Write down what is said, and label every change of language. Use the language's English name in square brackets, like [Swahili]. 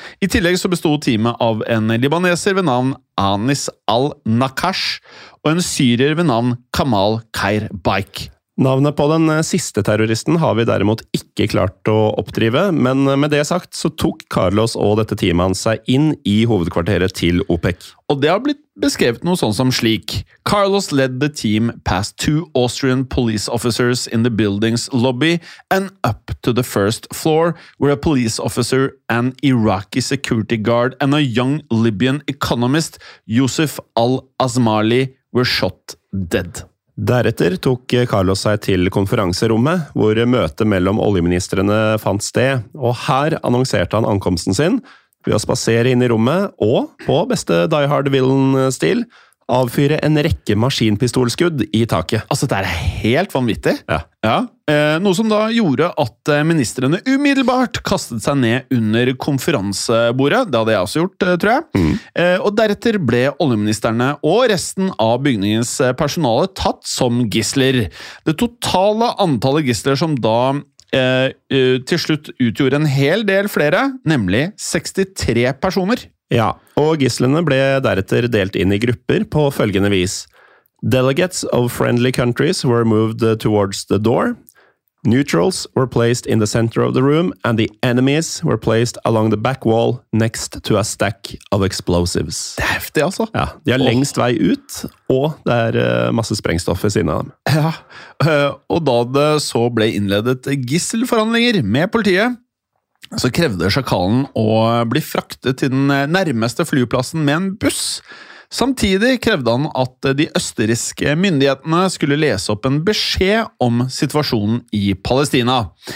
[Norwegian] I tillegg så bestod teamet av en libaneser ved navn Anis al-Nakash og en syrier ved navn Kamal Khair-Baik. Navnet på den siste terroristen har vi derimot ikke klart å oppdrive, men med det sagt så tok Carlos og dette teamet hans seg inn I hovedkvarteret til OPEC. Og det har blitt beskrevet noe sånn som slik. [English] Carlos led the team past two Austrian police officers in the building's lobby and up to the first floor, where a police officer, an Iraqi security guard and a young Libyan economist, Yusuf al-Azmali, were shot dead. [Norwegian] Deretter tok Carlos seg til konferanserommet, hvor møtet mellom oljeministrene fant sted, og her annonserte han ankomsten sin ved å spasere inn I rommet og, på beste Die Hard-villen-stil, avfyre en rekke maskinpistolskudd I taket. Altså, det helt vanvittig. Ja. Ja. Noe som da gjorde at ministrene umiddelbart kastet seg ned under konferansebordet. Det hadde jeg også gjort, tror jeg. Mm. Og deretter ble oljeministerne og resten av bygningens personale tatt som gisler. Det totale antallet gisler som da til slutt utgjorde en hel del flere, nemlig 63 personer. Ja, og gislene ble deretter delt inn I grupper på følgende vis. [English] Delegates of friendly countries were moved towards the door. Neutrals were placed in the center of the room, and the enemies were placed along the back wall next to a stack of explosives. [Norwegian] Det heftig, altså. Ja, de lengst vei ut, og det masse sprengstoff ved siden av dem. Ja, og da det så ble innledet gisselforhandlinger med politiet, så krevde sjakalen å bli fraktet til den nærmeste flyplassen med en buss. Samtidig krevde han at de østerrikske myndighetene skulle lese opp en beskjed om situasjonen I Palestina.